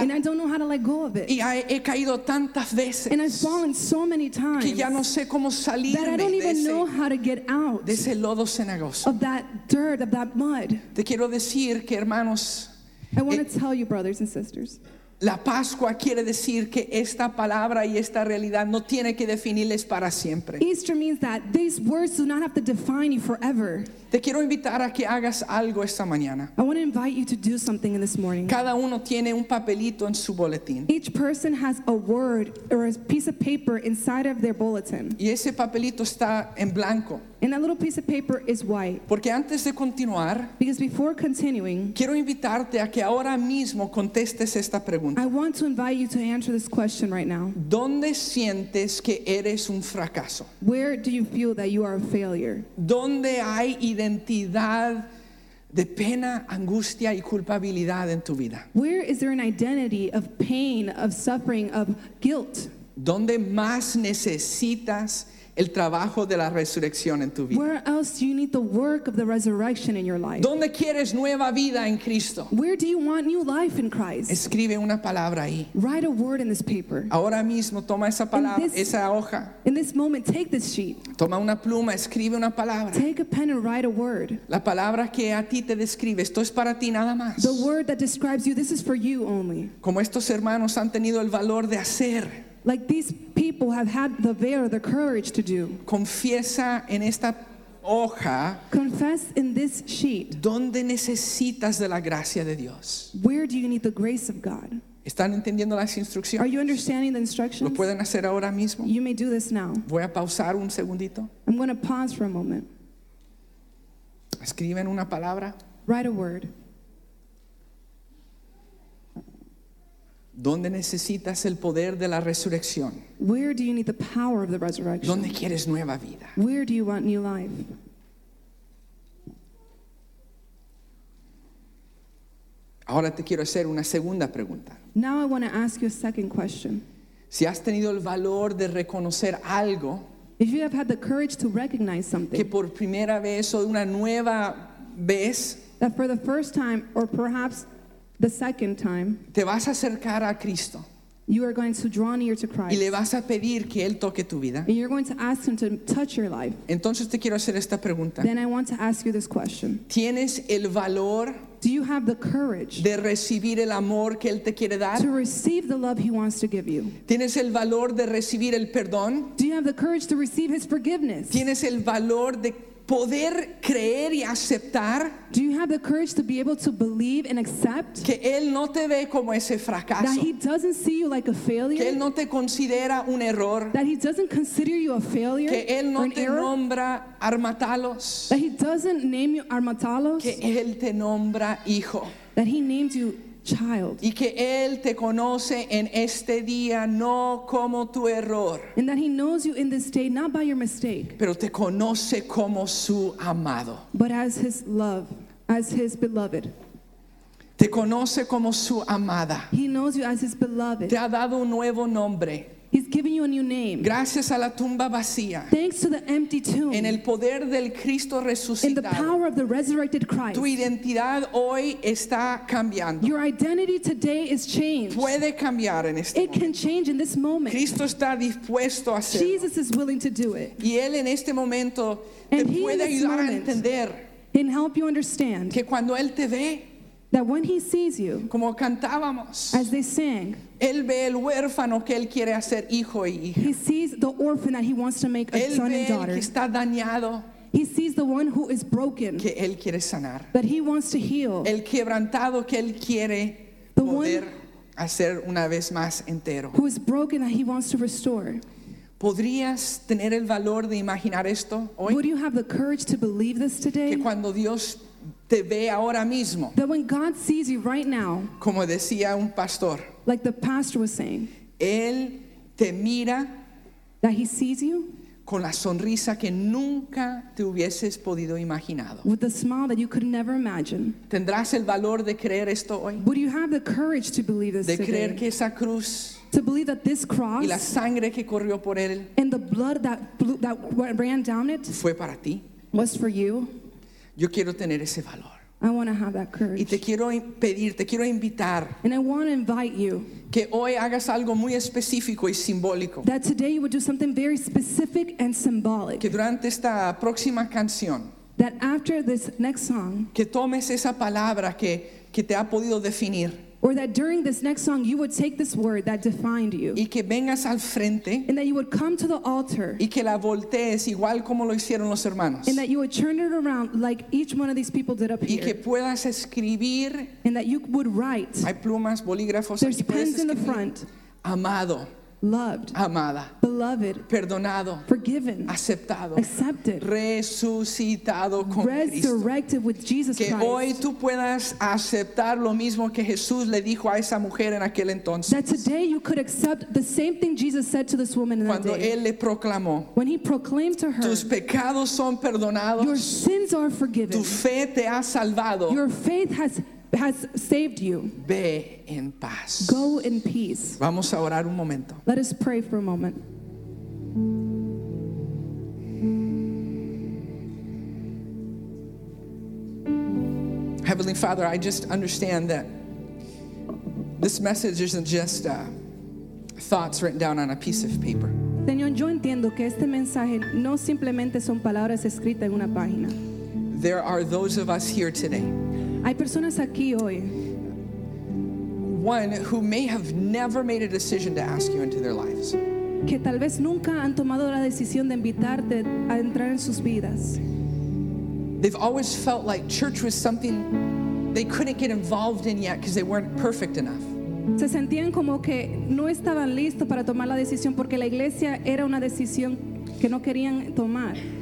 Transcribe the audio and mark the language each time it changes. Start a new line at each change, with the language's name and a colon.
English: And I don't know how to let go of it.
Spanish: Y he caído tantas veces.
English: And I've fallen so many times.
Spanish: Que ya no sé cómo salirme de ese.
English: That I don't even know how to get out.
Spanish: De ese lodo cenagoso.
English: Of that dirt, of that mud.
Spanish: Te quiero decir que hermanos.
English: I want to tell you, brothers and sisters.
Spanish: La Pascua quiere decir que esta palabra y esta realidad no tiene que definirles para siempre.
English: Easter means that these words do not have to define you forever.
Spanish: Te quiero invitar a que hagas algo esta mañana.
English: I want to invite you to do something in this morning.
Spanish: Cada uno tiene un papelito en su boletín.
English: Each person has a word or a piece of paper inside of their bulletin.
Spanish: Y ese papelito está en blanco.
English: And that little piece of paper is white.
Spanish: Porque antes de continuar,
English: because before continuing,
Spanish: quiero invitarte a que ahora mismo contestes esta pregunta.
English: I want to invite you to answer this question right now.
Spanish: ¿Dónde sientes que eres un fracaso?
English: Where do you feel that you are a failure?
Spanish: ¿Dónde hay identidad de pena, angustia y culpabilidad en tu vida?
English: Where is there an identity of pain, of suffering, of guilt?
Spanish: ¿Dónde más necesitas el trabajo de la resurrección en tu vida?
English: Where else do you need the work of the resurrection in your life?
Spanish: ¿Dónde quieres nueva vida en Cristo?
English: Where do you want new life in Christ?
Spanish: Escribe una palabra ahí.
English: Write a word in this paper.
Spanish: Ahora mismo toma esa palabra, esa hoja.
English: In this moment, take this sheet.
Spanish: Toma una pluma, escribe una palabra.
English: Take a pen and write a word.
Spanish: La palabra que a ti te describe, esto es para ti nada más.
English: The word that describes you, this is for you only.
Spanish: Como estos hermanos han tenido el valor de hacer.
English: Like these people have had the veil, the courage to do.
Spanish: Confiesa en esta hoja.
English: Confess in this sheet.
Spanish: ¿Dónde necesitas de la gracia de Dios?
English: Where do you need the grace of God?
Spanish: ¿Están entendiendo las instrucciones?
English: Are you understanding the instructions?
Spanish: ¿Lo pueden hacer ahora mismo?
English: You may do this now.
Spanish: Voy a pausar un segundito.
English: I'm going to pause for a moment.
Spanish: Escriben una palabra.
English: Write a word.
Spanish: ¿Dónde necesitas el poder de la resurrección?
English: Where do you need the power of the resurrection?
Spanish: ¿Dónde quieres nueva vida?
English: Where do you want new life?
Spanish: Ahora te quiero hacer una segunda pregunta.
English: Now I want to ask you a second question.
Spanish: Si has tenido el valor de reconocer algo,
English: if you have had the courage to recognize something,
Spanish: que por primera vez o una nueva vez,
English: that for the first time or perhaps the second time,
Spanish: te vas a acercar a Cristo,
English: you are going to draw near to Christ,
Spanish: y le vas a pedir que él toque tu vida,
English: and you're going to ask him to touch your life.
Spanish: Entonces te quiero hacer esta pregunta.
English: Then I want to ask you this question.
Spanish: ¿Tienes el valor?
English: Do you have the courage
Spanish: de recibir el amor que él te quiere dar?
English: To receive the love he wants to give you.
Spanish: ¿Tienes el valor de recibir el perdón?
English: Do you have the courage to receive his forgiveness?
Spanish: ¿Tienes el valor de poder creer y aceptar?
English: Do you have the courage to be able to believe and accept
Spanish: que él no te ve como ese fracaso,
English: that he doesn't see you like a failure,
Spanish: que él no te considera un error,
English: that he doesn't consider you a failure,
Spanish: que él no te error, nombra armatalos,
English: that he doesn't name you armatalos,
Spanish: que él te nombra hijo,
English: that he named you child,
Spanish: y que él te conoce en este día no como tu error,
English: and that he knows you in this day not by your mistake,
Spanish: pero te conoce como su amado,
English: but as his love, as his beloved.
Spanish: Te conoce como su amada.
English: He knows you as his beloved.
Spanish: Te ha dado un nuevo nombre.
English: He's given you a new name.
Spanish: Gracias a la tumba vacía.
English: Thanks to the empty tomb.
Spanish: En el poder del Cristo resucitado.
English: In the power of the resurrected Christ.
Spanish: Tu identidad hoy está cambiando.
English: Your identity today is changed.
Spanish: Puede cambiar en este momento.
English: It can change in this moment.
Spanish: Cristo está dispuesto a hacerlo.
English: Jesus is willing to do it.
Spanish: Y él en este momento te puede ayudar a entender.
English: And help you understand.
Spanish: Que cuando él te ve.
English: That when he sees you,
Spanish: como cantábamos,
English: as they sang,
Spanish: él ve el huérfano que él quiere hacer hijo y hija.
English: He sees the orphan that he wants to make a
Spanish: él
English: son and daughter.
Spanish: Que está dañado,
English: he sees the one who is broken,
Spanish: que él quiere sanar.
English: That he wants to heal.
Spanish: El quebrantado que él quiere
English: the
Spanish: poder
English: one
Spanish: hacer una vez más entero.
English: Who is broken that he wants to restore.
Spanish: ¿Podrías tener el valor de imaginar esto hoy?
English: Would you have the courage to believe this today?
Spanish: Que cuando Dios te ve ahora mismo.
English: That when God sees you right now,
Spanish: como decía un pastor,
English: like the pastor was saying,
Spanish: él te mira,
English: that he sees you,
Spanish: con la sonrisa que nunca te hubieses podido imaginado.
English: With a smile that you could never imagine.
Spanish: ¿Tendrás el valor de creer esto hoy?
English: Would you have the courage to believe this today?
Spanish: De creer
English: today?
Spanish: Que esa cruz,
English: to believe that this cross,
Spanish: y la sangre que corrió por él,
English: and the blood that ran down it,
Spanish: fue para ti,
English: was for you.
Spanish: Yo quiero tener ese valor.
English: I want to have that courage.
Spanish: Y te quiero pedir, te quiero invitar.
English: And I want to invite you.
Spanish: Que hoy hagas algo muy específico y simbólico.
English: That today you would do something very specific and symbolic.
Spanish: Que durante esta próxima canción.
English: That after this next song.
Spanish: Que tomes esa palabra que te ha podido definir.
English: Or that during this next song you would take this word that defined you.
Spanish: Y que vengas al frente.
English: And that you would come to the altar.
Spanish: Y que la voltees igual como lo hicieron los hermanos.
English: And that you would turn it around like each one of these people did up here.
Spanish: Y que puedas escribir.
English: And that you would write.
Spanish: Hay plumas, bolígrafos.
English: There's pens in the front.
Spanish: Amado.
English: Loved.
Spanish: Amada.
English: Beloved.
Spanish: Perdonado.
English: Forgiven.
Spanish: Aceptado.
English: Accepted.
Spanish: Resucitado con
English: resurrected
Spanish: Cristo.
English: With Jesus
Spanish: que
English: Christ.
Spanish: Que hoy tú puedas aceptar lo mismo que Jesús le dijo a esa mujer en aquel entonces.
English: That today you could accept the same thing Jesus said to this woman in
Spanish: cuando
English: that day.
Spanish: Cuando él le proclamó.
English: When he proclaimed to her.
Spanish: Tus pecados son perdonados.
English: Your sins are forgiven.
Spanish: Tu fe te ha salvado.
English: Your faith has saved you.
Spanish: Ve en paz.
English: Go in peace.
Spanish: Vamos a orar un momento.
English: Let us pray for a moment. Heavenly Father, I just understand that this message isn't just thoughts written down on a piece of paper.
Spanish: Señor, yo entiendo que este mensaje no simplemente son palabras escritas en una página.
English: There are those of us here today.
Spanish: Hay personas aquí hoy.
English: One who may have never made a decision to ask you into their lives.
Spanish: Que tal vez nunca han tomado la decisión de invitarte a entrar en sus vidas.
English: They've always felt like church was something they couldn't get involved in yet because they weren't perfect enough.
Spanish: Se sentían como que no estaban listos para tomar la decisión porque la iglesia era una decisión que no querían tomar.